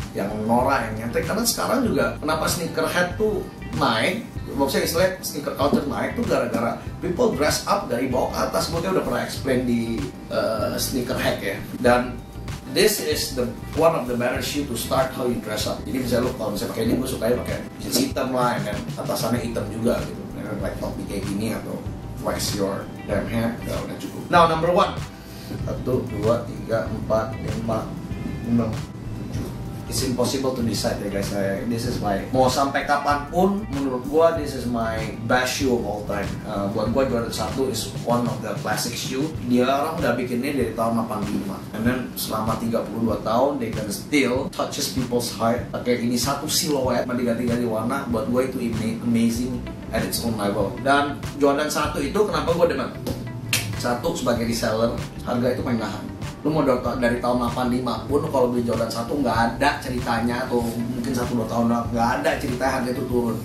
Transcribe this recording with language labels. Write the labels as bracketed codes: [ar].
[id] Yang norak, yang nyentrik. Karena sekarang juga, kenapa sneakerhead tuh naik, maksudnya istilah sneaker culture naik tuh gara-gara [en] people dress up [id] dari bawah ke atas. Gue udah pernah explain di sneakerhead ya. Dan [en] this is the one of the better shoe to start how you dress up. [id] Jadi misalnya lo kalau misalnya pakai ini, gue sukanya pakai jeans hitam lah, dan atasannya hitam juga gitu. Like topi kayak gini atau [en] wax your damn hair, [id] udah cukup. [en] Now number one, 1, 2, 3, 4, 5, 6, 7. It's impossible to decide ya guys. This is my, [id] mau sampai kapanpun, menurut gua [en] this is my best shoe of all time. [id] Buat gua [en] Jordan 1 is one of the classic shoe. [id] Dia orang udah bikin ini dari tahun 85. [en] And then [id] selama 32 tahun, [en] they can still touches people's heart. [id] Pakai ini satu silhouette, mau diganti-ganti warna, buat gua itu [en] amazing at its own level. [id] Dan Jordan 1 itu kenapa gua demen? Satu, sebagai reseller, harga itu main mahal. Lu mau dari tahun 85 pun kalau beli Jordan 1 nggak ada ceritanya, atau mungkin 1-2 tahun nggak ada cerita harga itu turun.